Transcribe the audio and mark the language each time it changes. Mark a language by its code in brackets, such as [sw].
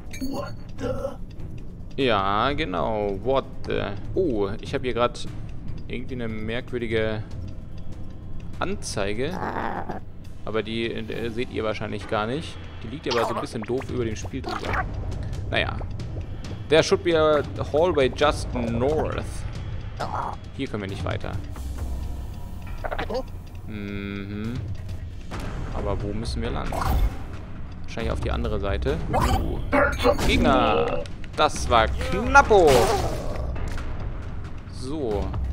[en] What the? [de] Ja, genau. [en] What the? [de] Oh, ich habe hier gerade irgendwie eine merkwürdige Anzeige. Aber die seht ihr wahrscheinlich gar nicht. Die liegt aber so ein bisschen doof über dem Spiel drüber. Naja. [en] There should be a hallway just north. [de] Hier können wir nicht weiter. Mhm. Aber wo müssen wir lang? Wahrscheinlich auf die andere Seite. Gegner! Das war knappo! So.